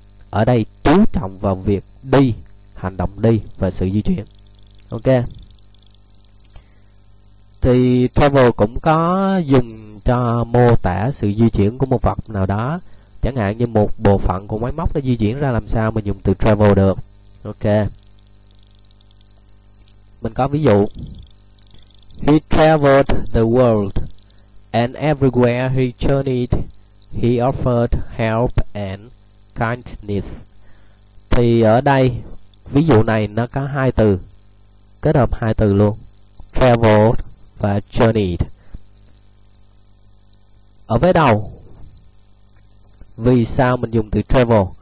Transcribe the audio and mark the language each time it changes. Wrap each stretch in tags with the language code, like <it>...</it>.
<vi>Ở đây chú trọng vào việc đi, hành động đi và sự di chuyển. Ok. Thì travel cũng có dùng cho mô tả sự di chuyển của một vật nào đó. Chẳng hạn như một bộ phận của máy móc nó di chuyển ra làm sao mà dùng từ travel được. Ok. Mình có ví dụ:</vi> <en>He traveled the world, and everywhere he journeyed, he offered help and kindness.</en> <vi>Thì ở đây ví dụ này nó có hai từ, kết hợp hai từ luôn, traveled và journeyed. Ở vế đầu, vì sao mình dùng từ travel?</vi>